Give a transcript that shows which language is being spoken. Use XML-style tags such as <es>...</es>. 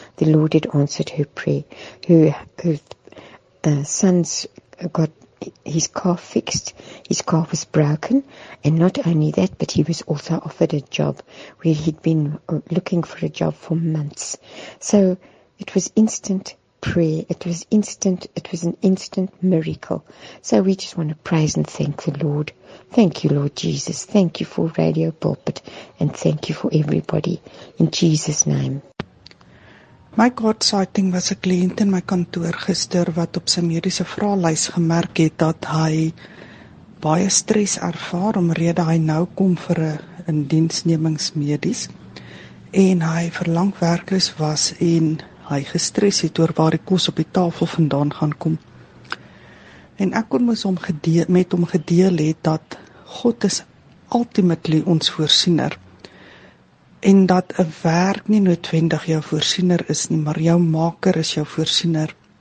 <en>The Lord had answered her prayer. Her son's got his car fixed, his car was broken, and not only that, but he was also offered a job where he'd been looking for a job for months. So it was instant prayer, it was an instant miracle. So we just want to praise and thank the Lord. Thank you, Lord Jesus. Thank you for Radio Pulpit, and thank you for everybody. In Jesus' name.</en> <af>My God sighting was 'n kliënt in my kantoor gister wat op sy mediese vraelys gemerk het dat hy baie stres ervaar omrede hy nou kom vir 'n indiensnemingsmedies en hy verlang werkloos was en hy gestres het oor waar die kos op die tafel vandaan gaan kom. En ek kon met hom gedeel het dat God is ultimately ons voorsiener. En dat 'n werk nie noodwendig jou voorsiener is nie, maar jou maker is jou voorsiener.</af>